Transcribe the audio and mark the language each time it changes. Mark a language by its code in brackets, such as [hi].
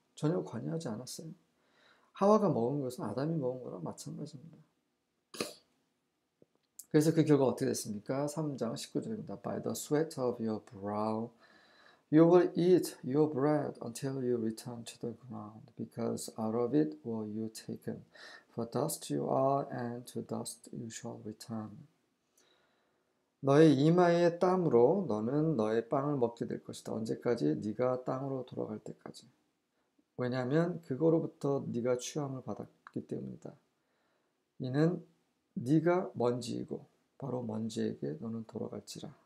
[ko] 전혀 관여하지 않았어요. 하와가 먹은 것은 아담이 먹은 거랑 마찬가지입니다. 그래서 그 결과 어떻게 됐습니까? 3장 19절입니다. [en] By the sweat of your brow, you will eat your bread until you return to the ground, because out of it were you taken. For dust you are, and to dust you shall return. [ko] 너의 이마의 땀으로 너는 너의 빵을 먹게 될 것이다. 언제까지? 네가 땅으로 돌아갈 때까지. 왜냐하면 그거로부터 네가 취함을 받았기 때문이다. 이는 네가 먼지이고 바로 먼지에게 너는 돌아갈지라.